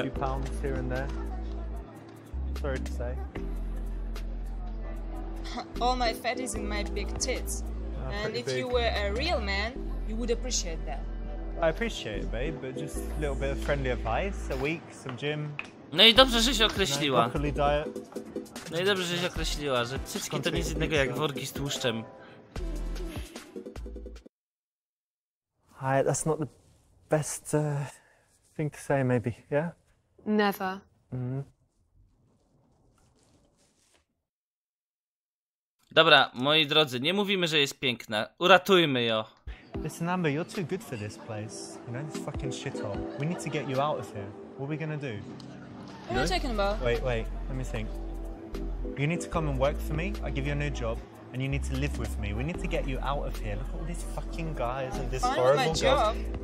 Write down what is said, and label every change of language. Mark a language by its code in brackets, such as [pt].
[en] A few pounds here and there. sorry to say. All my fat is in my big tits. And if you were a real man, you would appreciate that. I appreciate it, babe, but just a little bit of friendly advice, a week, some gym. [pl] No i dobrze, że się określiła. [en] Broccoli diet. [pl] No i dobrze, że się określiła, że cycki to nic innego jak worki z tłuszczem. [en] Hi, that's not the best thing to say, maybe, yeah? Never. [pl] Dobra, moi drodzy, nie mówimy, że jest piękna. Uratujmy ją. [en] Listen, Amber, you're too good for this place. You know, this fucking shithole. We need to get you out of here. What are we gonna do? What are you talking about? Wait, let me think. You need to come and work for me. I give you a new job. And you need to live with me. We need to get you out of here. Look at all these fucking guys and this horrible girl.